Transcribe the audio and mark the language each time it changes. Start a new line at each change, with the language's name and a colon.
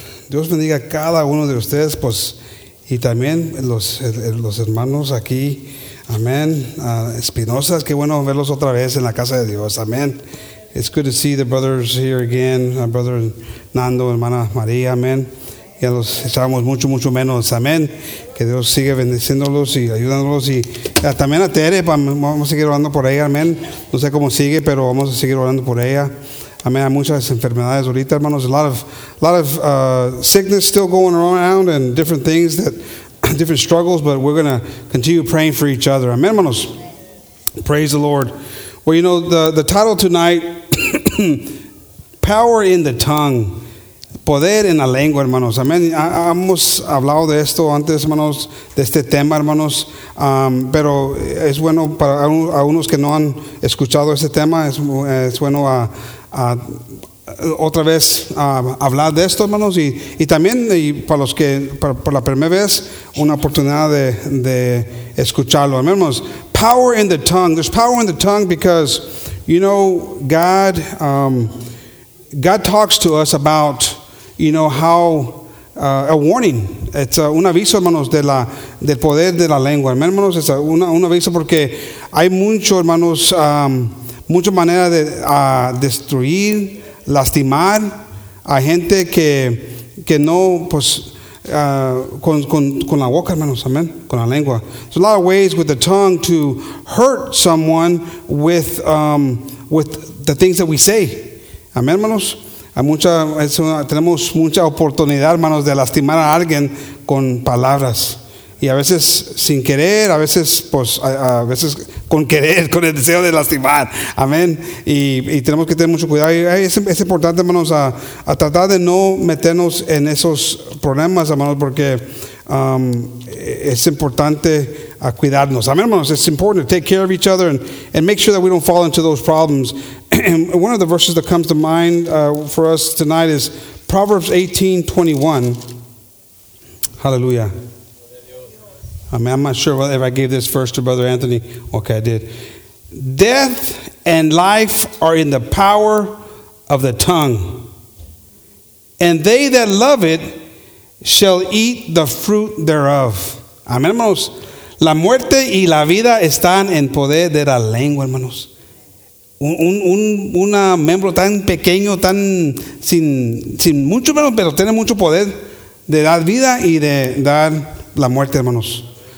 Spanish: Dios bendiga a cada uno de ustedes, pues, y también los hermanos aquí. Amen. Espinosa, qué bueno verlos otra vez en la casa de Dios. Amen.
English: It's good to see the brothers here again. Our brother
Spanish: Nando, hermana María. Amen. Ya los echamos mucho, mucho menos. Amen. Que Dios sigue bendeciéndolos y ayudándolos. Y ya, también a Tere, vamos a seguir orando por ella. Amen. No sé cómo sigue, pero vamos a seguir orando por ella. Amen. Hay muchas enfermedades ahorita, hermanos.
English: A lot of sickness still going around and different things that... different struggles, but we're going to continue praying for each other. Amen, hermanos. Praise the Lord. Well, you know, the title tonight, Power in the Tongue.
Spanish: Poder en la lengua, hermanos. Amen. Hemos hablado de esto antes, hermanos, de este tema, hermanos. Pero es bueno para algunos que no han escuchado este tema, es bueno otra vez hablar de esto, hermanos, y también y para los que por la primera vez una oportunidad de escucharlo, hermanos.
English: Power in the tongue. There's power in the tongue because, you know, God talks to us about, you know, how a warning.
Spanish: It's un aviso, hermanos, del poder de la lengua, hermanos. Es un aviso porque hay mucho, hermanos, mucha manera de destruir, lastimar a gente que no, pues, con la boca, hermanos, amen, con la lengua.
English: There's a lot of ways with the tongue to hurt someone with the things that we say.
Spanish: Amen, hermanos. Tenemos mucha oportunidad, hermanos, de lastimar a alguien con palabras. Y a veces sin querer, a veces pues a veces con querer, con el deseo de lastimar. Amén. Y tenemos que tener mucho cuidado. Es importante, hermanos, a tratar de no meternos en esos problemas, hermanos, porque es importante a cuidarnos. Amén, hermanos.
English: It's important to take care of each other and make sure that we don't fall into those problems. And one of the verses that comes to mind for us tonight is Proverbs 18:21. Hallelujah. I mean, I'm not sure if I gave this first to Brother Anthony. Okay, I did. Death and life are in the power of the tongue. And they that love it shall eat the fruit thereof.
Spanish: Amen, hermanos. La muerte y la vida están en poder de la lengua, hermanos. Un miembro tan pequeño, tan sin mucho menos, pero tiene mucho poder de dar vida y de dar la muerte, hermanos.